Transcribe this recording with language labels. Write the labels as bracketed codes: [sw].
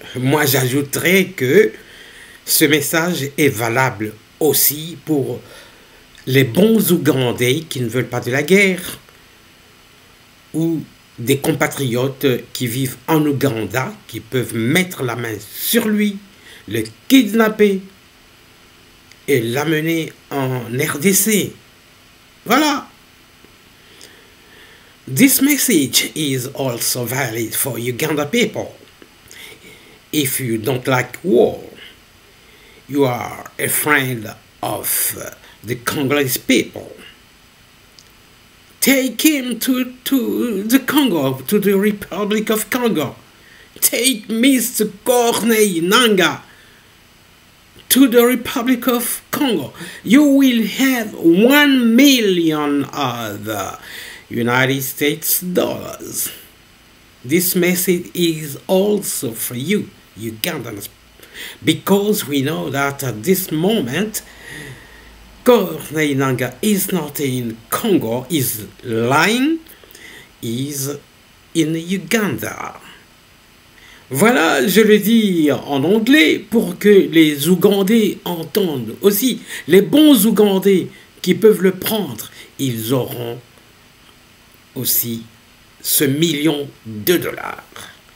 [fr] Moi, j'ajouterais que ce message est valable aussi pour les bons Ougandais qui ne veulent pas de la guerre ou des compatriotes qui vivent en Ouganda, qui peuvent mettre la main sur lui, le kidnapper et l'amener en RDC. Voilà. [en] This message is also valid for Uganda people. If you don't like war, you are a friend of the Congolese people. Take him to the Congo, to the Republic of Congo. Take Mr. Corneille Nanga to the Republic of Congo. You will have 1 million of the United States dollars. This message is also for you, Ugandans, because we know that at this moment Corneille Nanga is not in Congo, is lying, is in Uganda. [fr] Voilà, je le dis en anglais pour que les Ougandais entendent aussi, les bons Ougandais qui peuvent le prendre, ils auront aussi ce million de dollars.